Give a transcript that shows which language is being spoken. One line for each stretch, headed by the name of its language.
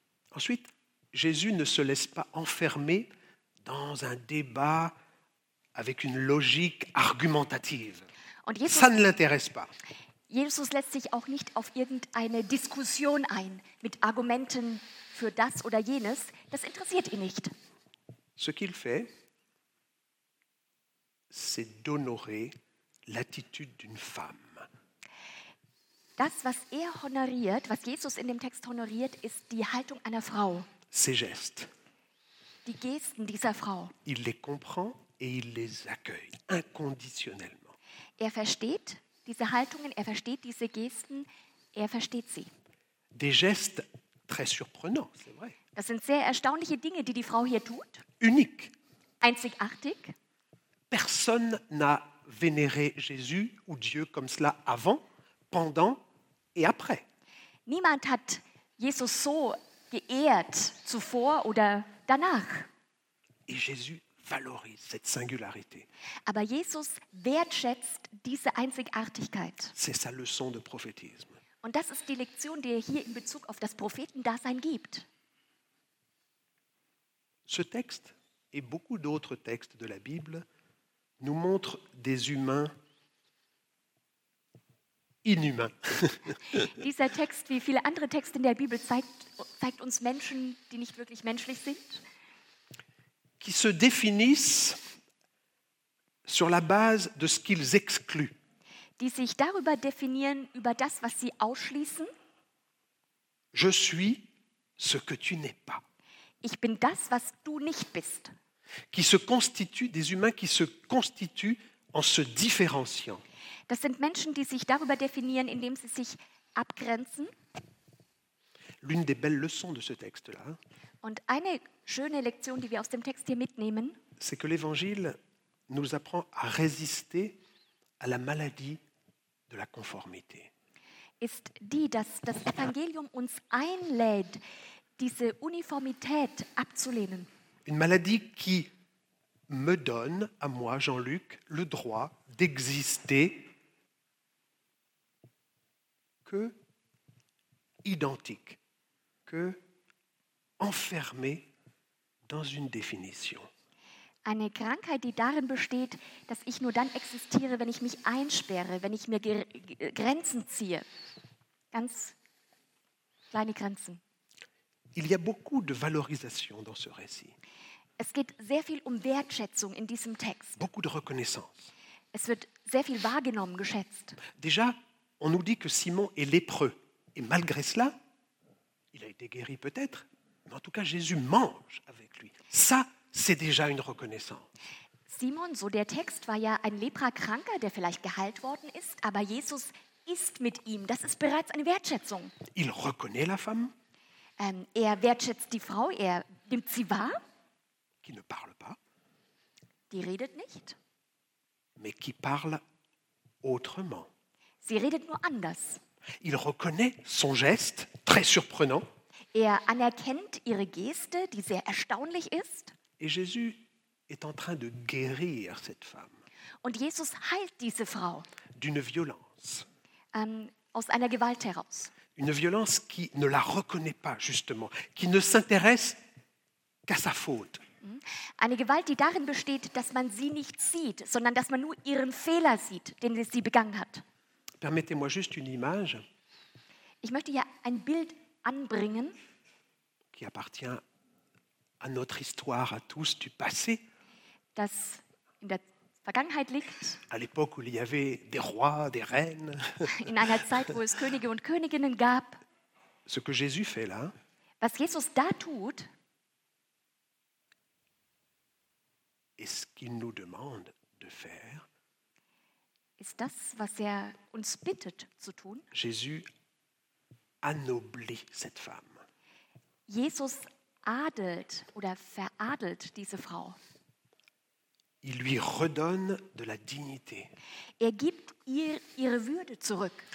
French: Ensuite, Jésus ne se laisse pas enfermer dans un débat avec une logique argumentative.
German: Und Jesus,
French: ça ne l'intéresse pas.
German: Jesus lässt sich auch nicht auf irgendeine Diskussion ein mit Argumenten für das oder jenes. Das interessiert ihn nicht.
French: Ce qu'il fait, c'est d'honorer l'attitude d'une femme.
German: Das, was er honoriert, was Jesus in dem Text honoriert, ist die Haltung einer Frau.
French: Ses gestes.
German: Die Gesten dieser Frau.
French: Il les comprend et il les accueille inconditionnellement.
German: Er versteht diese Haltungen, er versteht diese Gesten, er versteht sie.
French: Des gestes très surprenants, c'est vrai.
German: Das sind sehr erstaunliche Dinge, die die Frau hier tut.
French: Unique.
German: Einzigartig.
French: Personne n'a vénéré Jésus ou Dieu comme cela avant, pendant et après.
German: Niemand hat Jesus so geehrt zuvor oder danach.
French: Et Jésus valorise cette singularité.
German: Aber Jesus wertschätzt diese Einzigartigkeit.
French: C'est sa leçon de prophétisme.
German: Und das ist die Lektion, die er hier in Bezug auf das Prophetendasein gibt.
French: Ce texte et beaucoup d'autres textes de la Bible nous montrent des humains inhumains.
German: Dieser Text, wie viele andere Texte in der Bibel, zeigt uns Menschen, die nicht wirklich menschlich sind.
French: Qui se définissent sur la base de ce qu'ils excluent.
German: Die sich darüber definieren, über das, was sie ausschließen.
French: Je suis ce que tu n'es pas.
German: Ich bin das, was du nicht bist.
French: Qui se constituent, des humains qui se constituent en se différenciant.
German: Das sind Menschen, die sich darüber definieren, indem sie sich abgrenzen.
French: L'une des belles leçons de ce texte-là.
German: Und eine schöne Lektion, die wir aus dem Text hier mitnehmen,
French: c'est que l'Évangile nous apprend à résister à la maladie de la conformité.
German: Ist die, dass das Evangelium uns einlädt, diese Uniformität abzulehnen.
French: Une maladie qui me donne à moi, Jean-Luc, le droit d'exister que identique, que enfermé dans une définition.
German: Eine Krankheit, die darin besteht, dass ich nur dann existiere, wenn ich mich einsperre, wenn ich mir Grenzen ziehe. Ganz kleine Grenzen.
French: Il y a beaucoup de valorisation dans ce récit.
German: Es geht sehr viel um Wertschätzung in diesem Text.
French: Beaucoup de reconnaissance.
German: Es wird sehr viel wahrgenommen, geschätzt.
French: Déjà, on nous dit que Simon est lépreux. Et malgré cela, il a été guéri peut-être, mais en tout cas, Jésus mange avec lui. Ça, c'est déjà une reconnaissance.
German: Simon, so der Text, war ja ein Leprakranker, der vielleicht geheilt worden ist, aber Jesus isst mit ihm. Das ist bereits eine Wertschätzung.
French: Il reconnaît la femme.
German: Er wertschätzt die Frau, er nimmt sie wahr.
French: Qui ne parle pas.
German: Die redet nicht.
French: Mais qui parle autrement.
German: Sie redet nur anders.
French: Il reconnaît son geste, très surprenant.
German: Er anerkennt ihre Geste, die sehr erstaunlich ist.
French: Et Jésus est en train de guérir cette femme.
German: Und Jesus heilt diese Frau.
French: D'une violence.
German: Aus einer Gewalt heraus.
French: Une violence qui ne la reconnaît pas justement, qui ne s'intéresse qu'à sa faute.
German: Eine Gewalt, die darin besteht, dass man sie nicht sieht, sondern dass man nur ihren Fehler sieht, den sie begangen hat.
French: Permettez-moi juste une image.
German: Ich möchte hier ein Bild anbringen.
French: Qui appartient à notre histoire, à tous du passé.
German: Das in der Vergangenheit liegt.
French: À l'époque où il y avait des rois, des reines.
German: In einer Zeit, wo es Könige und Königinnen gab.
French: Ce que Jésus fait là.
German: Was Jesus da tut.
French: Est ce qu'il nous demande de faire.
German: Ist das, was er uns bittet zu tun.
French: Jésus anoblit cette femme.
German: Jesus adelt oder veradelt diese Frau.
French: Il lui redonne de la dignité.
German: Er gibt ihr ihre Würde zurück.